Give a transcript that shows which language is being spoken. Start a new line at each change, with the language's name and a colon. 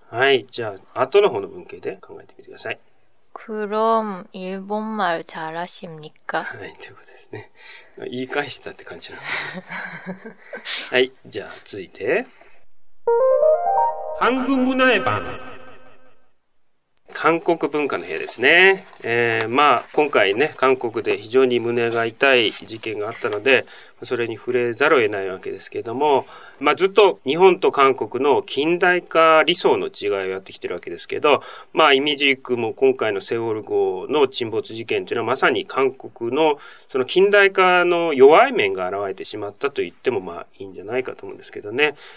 Japanese: はい、じゃあ、後の方の文型で考えてみてください。
Korean: 그럼일본말잘하십니까?
Japanese: はい、ということですね。言い返したって感じなの。はい、じゃあ続いて。
Korean: 韓国문화의밤。
Japanese: 韓国文化の部屋ですね。まあ、今回ね、韓国で非常に胸が痛い事件があったので、それに触れざるを得ないわけですけれども、まあ、ずっと日本と韓国の近代化理想の違いをやってきてるわけですけど、まあ、イミジークも今回のセウォル号の沈没事件というのはまさに韓国のその近代化の弱い面が現れてしまったと言ってもまあいいんじゃないかと思うんですけどね。